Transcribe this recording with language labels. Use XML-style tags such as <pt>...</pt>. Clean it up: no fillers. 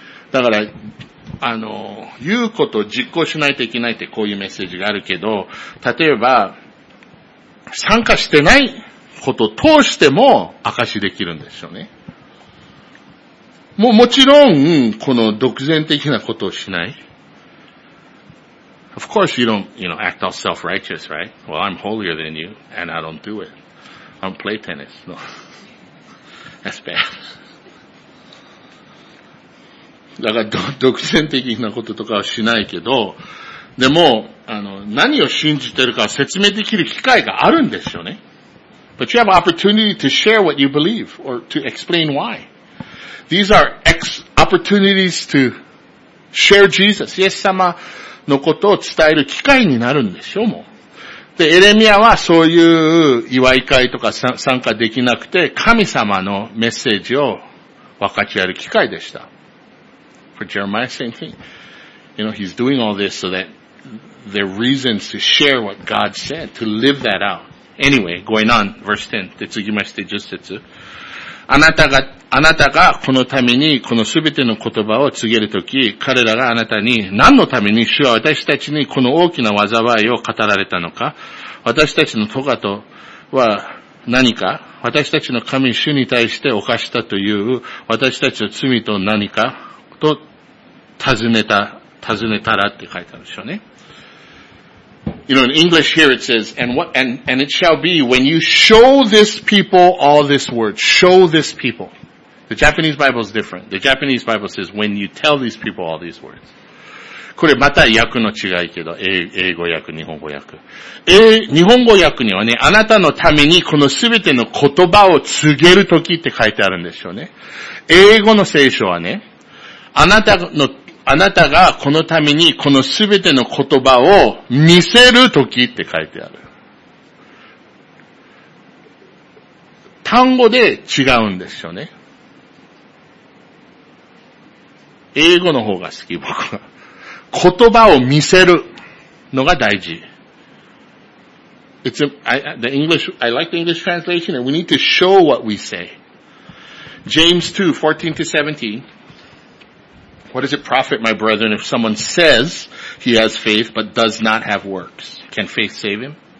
<ja>だから、言うことを実行しないといけないってこういうメッセージがあるけど、例えば、参加してないことを通しても証できるんですよね。もちろん、この独善的なことをしない。</ja> <en>Of course you don't, you know, act all self-righteous, right? Well, I'm holier than you, and I don't do it. I don't play tennis. No. That's bad.</en> <ja>だから、独占的なこととかはしないけど、でも、何を信じてるか説明できる機会があるんですよね。</ja> <en>But you have an opportunity to share what you believe or to explain why. These are opportunities to share Jesus.</en> <ja>イエス様のことを伝える機会になるんでしょう、もう。で、エレミアはそういう祝い会とか参加できなくて、神様のメッセージを分かち合える機会でした。</ja> <en>For Jeremiah, same thing. You know, he's doing all this so that there are reasons to share what God said, to live that out. Anyway, going on, verse 10.</en> <ja>で、次まして、10節。あなたがこのためにこのすべての言葉を告げるとき、彼らがあなたに何のために主は私たちにこの大きな災いを語られたのか、私たちの咎とは何か、私たちの神主に対して犯したという私たちの罪と何か、と、尋ねたらって書いてあるでしょうね。</ja> <en>You know, in English here it says, and it shall be when you show this people all this word, show this people. The Japanese Bible is different. The Japanese Bible says, when you tell these people all these words.</en> <ja>これまた訳の違いけど、英語訳、日本語訳。日本語訳にはね、あなたのためにこのすべての言葉を告げるときって書いてあるんでしょうね。英語の聖書はね、あなたがこのためにこのすべての言葉を見せるときって書いてある。単語で違うんですよね。英語の方が好き、僕は。言葉を見せるのが大事。</ja> <en>I like the English translation and we need to show what we say. James 2:14 to 17. What does it profit, my brethren, if someone says he has faith but does not have works? Can faith save him?</en>